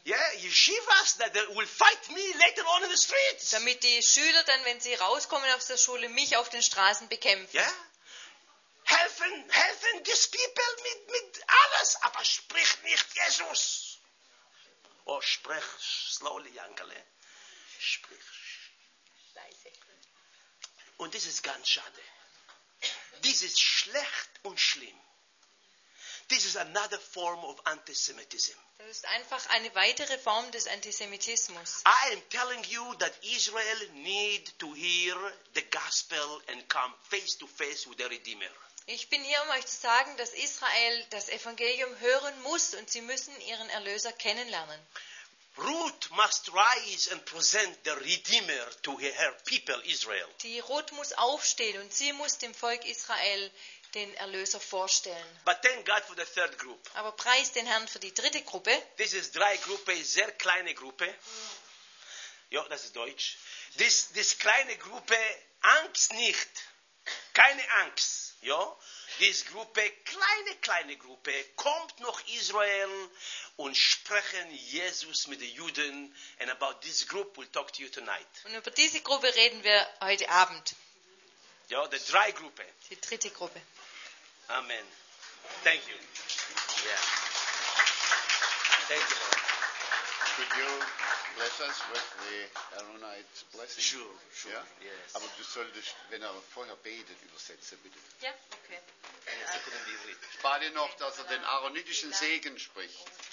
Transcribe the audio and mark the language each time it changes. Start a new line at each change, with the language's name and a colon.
English: Yeah, Yeshivas that will fight me later on in the streets.
German: Damit die Schüler dann, wenn sie rauskommen aus der Schule, mich auf den Straßen bekämpfen. Yeah? Helfen
English: these people
German: mit alles, aber sprich nicht Jesus. Oh, sprich slowly, Jankele. Sprich. Leise. Und das ist ganz schade. Das ist schlecht und schlimm.
English: This is another form of antisemitism.
German: Das ist einfach eine weitere Form des Antisemitismus.
English: I am telling you that Israel need to hear the gospel and come face to face with the Redeemer.
German: Ich bin hier, um euch zu sagen, dass Israel das Evangelium hören muss und sie müssen ihren Erlöser kennenlernen.
English: Ruth must rise and present the Redeemer to her people Israel.
German: Die Ruth muss aufstehen und sie muss dem Volk Israel den Erlöser vorstellen.
English: But thank God for the third group.
German: Aber preis den Herrn für die dritte Gruppe.
English: This is
German: drei Gruppe, sehr kleine Gruppe. Ja, das ist Deutsch. This kleine Gruppe, Angst nicht. Keine Angst. Ja, diese Gruppe, kleine Gruppe, kommt nach Israel und sprechen Jesus mit den Juden.
English: And about this group, we'll talk to you tonight.
German: Und über diese Gruppe reden wir heute Abend. Ja, die drei Gruppe. Die dritte Gruppe.
English: Amen. Thank you. Yeah. Thank you. Could you bless us with the Aaronite blessing? Sure. Yeah? Yes.
German: Aber du solltest, wenn er vorher betet, übersetze bitte. Ja, yeah. Okay. Spare noch, dass er den aaronitischen Segen spricht.